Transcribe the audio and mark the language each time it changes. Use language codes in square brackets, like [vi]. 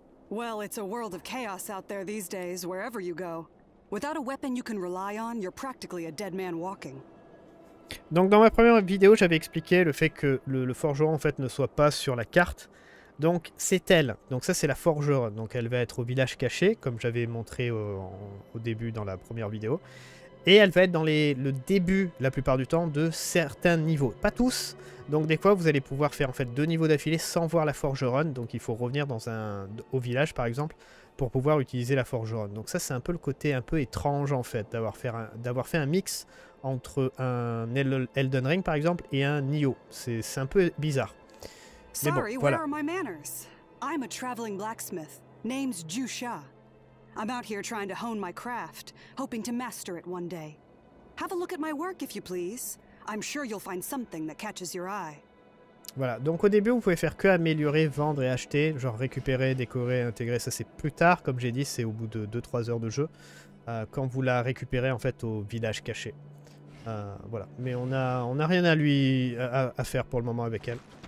[en] Well, it's a world of chaos out there these days, wherever you go. Without a weapon you can rely on, you're practically a dead man walking. [fr] Donc dans ma première vidéo, j'avais expliqué le fait que le forgeron en fait ne soit pas sur la carte. Donc c'est elle. Donc ça c'est la forgeronne. Donc elle va être au village caché, comme j'avais montré au début dans la première vidéo. Et elle va être dans le début, la plupart du temps, de certains niveaux. Pas tous. Donc des fois, vous allez pouvoir faire en fait deux niveaux d'affilée sans voir la forgeronne. Donc il faut revenir au village, par exemple, pour pouvoir utiliser la forgeronne. Donc ça, c'est un peu le côté un peu étrange, en fait, d'avoir fait un mix entre un Elden Ring, par exemple, et un Nioh. C'est un peu bizarre. Mais bon, voilà. [en] Sorry, where are my manners? I'm a traveling blacksmith. Name's Jusha. I'm out here trying to hone my craft, hoping to master it one day. Have a look at my work if you please. I'm sure you'll find something that catches your eye. [fr] Voilà, donc au début, vous pouvez faire que améliorer, vendre et acheter, genre récupérer, décorer, intégrer, ça c'est plus tard, comme j'ai dit, c'est au bout de 2-3 heures de jeu, quand vous la récupérez en fait au village caché. Voilà, mais on a rien à faire pour le moment avec elle.